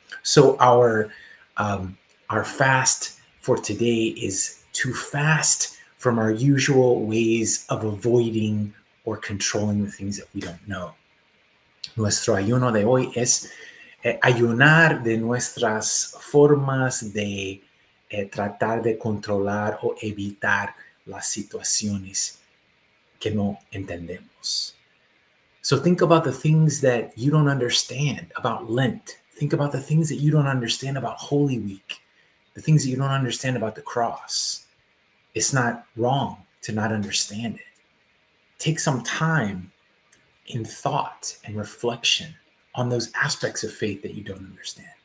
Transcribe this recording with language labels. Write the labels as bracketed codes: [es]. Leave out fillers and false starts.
[en] So our fast for today is to fast from our usual ways of avoiding or controlling the things that we don't know. [es] Nuestro ayuno de hoy es ayunar de nuestras formas de tratar de controlar o evitar las situaciones que no entendemos. [en] So think about the things that you don't understand about Lent. Think about the things that you don't understand about Holy Week, the things that you don't understand about the cross. It's not wrong to not understand it. Take some time in thought and reflection on those aspects of faith that you don't understand.